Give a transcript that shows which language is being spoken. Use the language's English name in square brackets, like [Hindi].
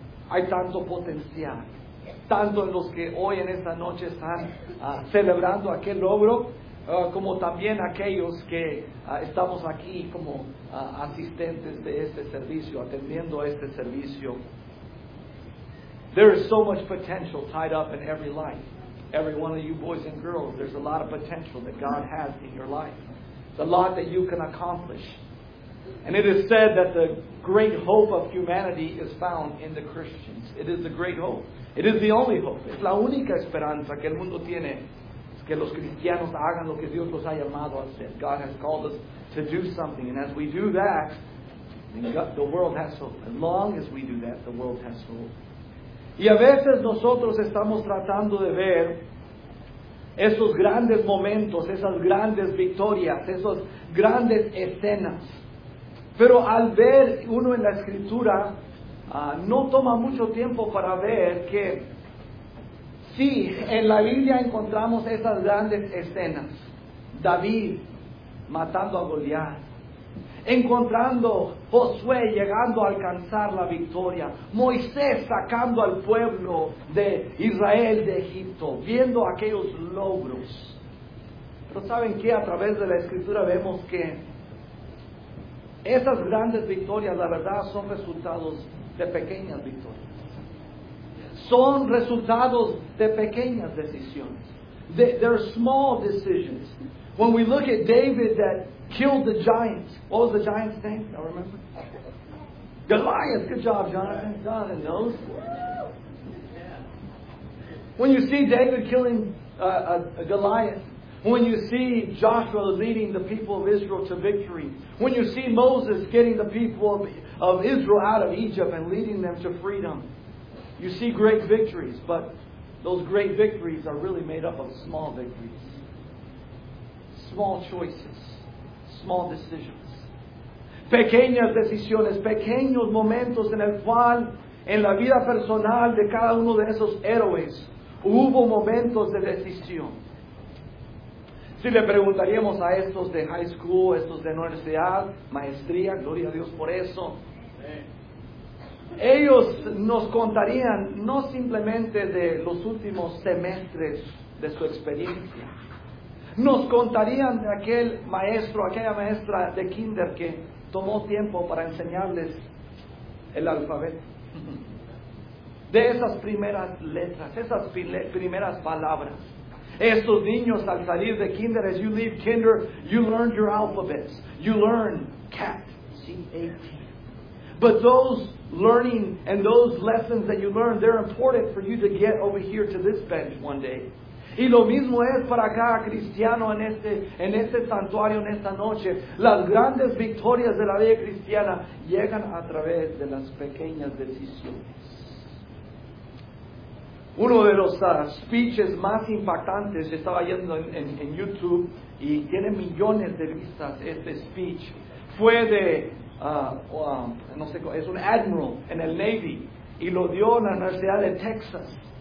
[Spanish] Hay tanto potencial, tanto en los que hoy en esta noche están celebrando aquel logro, como también aquellos que estamos aquí como asistentes de este servicio, atendiendo este servicio. [English] There is so much potential tied up in every life. Every one of you boys and girls, there's a lot of potential that God has in your life. The lot that you can accomplish. And it is said that the great hope of humanity is found in the Christians. It is the great hope. It is the only hope. [Spanish] Es la única esperanza que el mundo tiene. Es que los cristianos hagan lo que Dios los ha llamado a hacer. [English] God has called us to do something. And as we do that, the world has hope. As long as we do that, the world has hope. [Spanish] Y a veces nosotros estamos tratando de ver esos grandes momentos, esas grandes victorias, esas grandes escenas. Pero al ver uno en la Escritura, no toma mucho tiempo para ver que sí, en la Biblia encontramos esas grandes escenas. David matando a Goliat, encontrando Josué llegando a alcanzar la victoria, Moisés sacando al pueblo de Israel de Egipto, viendo aquellos logros. Pero ¿saben qué? A través de la Escritura vemos que esas grandes victorias, la verdad, son resultados de pequeñas victorias. Son resultados de pequeñas decisiones. [English] They're small decisions. When we look at David that killed the giants. What was the giant's name? I remember. Goliath. Good job, Jonathan. Jonathan knows. When you see David killing Goliath, when you see Joshua leading the people of Israel to victory, when you see Moses getting the people of Israel out of Egypt and leading them to freedom, you see great victories, but those great victories are really made up of small victories. Small choices, small decisions. [Spanish] Pequeñas decisiones, pequeños momentos en el cual, en la vida personal de cada uno de esos héroes, hubo momentos de decisión. Si le preguntaríamos a estos de high school, estos de universidad, maestría, gloria a Dios por eso. Ellos nos contarían no simplemente de los últimos semestres de su experiencia. Nos contarían de aquel maestro, aquella maestra de kinder que tomó tiempo para enseñarles el alfabeto. De esas primeras letras, esas primeras palabras. Esos niños al salir de kinder, [English] as you leave kinder, you learn your alphabets. You learn cat, C-A-T. But those learning and those lessons that you learn, they're important for you to get over here to this bench one day. [Spanish] Y lo mismo es para cada cristiano en este santuario, en esta noche. Las grandes victorias de la vida cristiana llegan a través de las pequeñas decisiones. Uno de los speeches más impactantes, estaba viendo en YouTube y tiene millones de vistas este speech, fue de, no sé, es un admiral en el Navy y lo dio en la Universidad de Texas.